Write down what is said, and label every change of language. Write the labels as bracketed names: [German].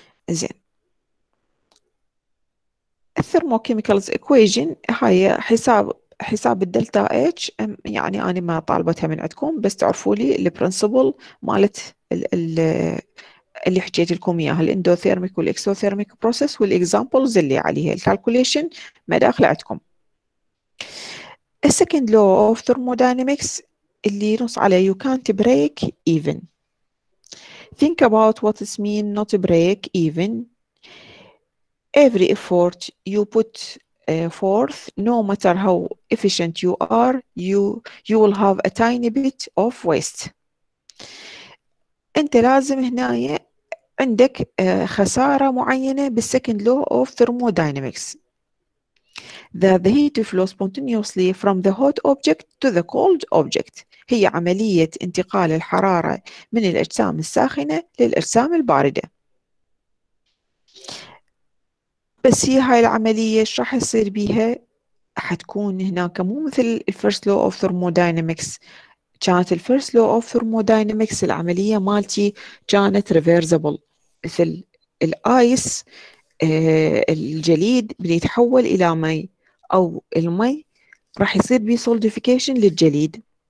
[Arabic] زين، الثيرموكيميكالز equation هاي حساب الدلتا اتش، يعني انا ما طالبتها من عندكم، بس تعرفوا لي البرنسبل مالت اللي حكيت لكم اياها، الاندوثيرميك والاكسوثيرميك بروسيس والاكزامبلز اللي عليها الكالكوليشن ما داخل عندكم. [English] السكند law of thermodynamics [Arabic] اللي ينص على [English] You can't break even. Think about what it means not break even. Every effort you put forth, no matter how efficient you are, you will have a tiny bit of waste. [Arabic] أنت لازم هنا عندك خسارة معينة بالسكند لو اوف ثيرمودينامكس. [English] That the heat flows spontaneously from the hot object to the cold object. [Arabic] هي عملية انتقال الحرارة من الأجسام الساخنة للأجسام الباردة. بس هي هاي العملية ايش راح يصير بيها؟ حتكون هناك مو مثل الفيرست لو اوف ثيرمودينامكس. كانت الفيرست لو اوف ثيرمودينامكس العملية مالتي كانت ريفيرسيبل، مثل الآيس الجليد بيتحول إلى مي، أو المي راح يصير بيه سولديفيكيشن للجليد.